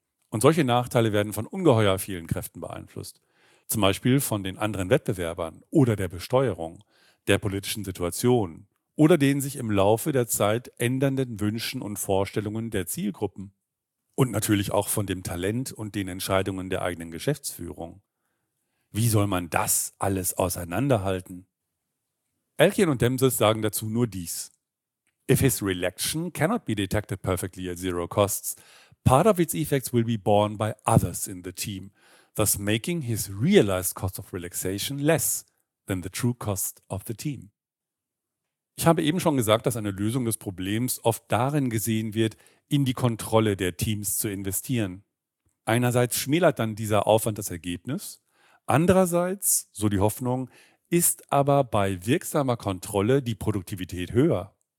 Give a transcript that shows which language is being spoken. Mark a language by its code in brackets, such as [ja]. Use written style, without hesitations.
[de] Und solche Nachteile werden von ungeheuer vielen Kräften beeinflusst, zum Beispiel von den anderen Wettbewerbern oder der Besteuerung, der politischen Situation oder den sich im Laufe der Zeit ändernden Wünschen und Vorstellungen der Zielgruppen. Und natürlich auch von dem Talent und den Entscheidungen der eigenen Geschäftsführung. Wie soll man das alles auseinanderhalten? Elkin und Demsis sagen dazu nur dies. [en] If his reelection cannot be detected perfectly at zero costs, part of its effects will be borne by others in the team, thus making his realized cost of relaxation less than the true cost of the team. [de] Ich habe eben schon gesagt, dass eine Lösung des Problems oft darin gesehen wird, in die Kontrolle der Teams zu investieren. Einerseits schmälert dann dieser Aufwand das Ergebnis, andererseits, so die Hoffnung, ist aber bei wirksamer Kontrolle die Produktivität höher.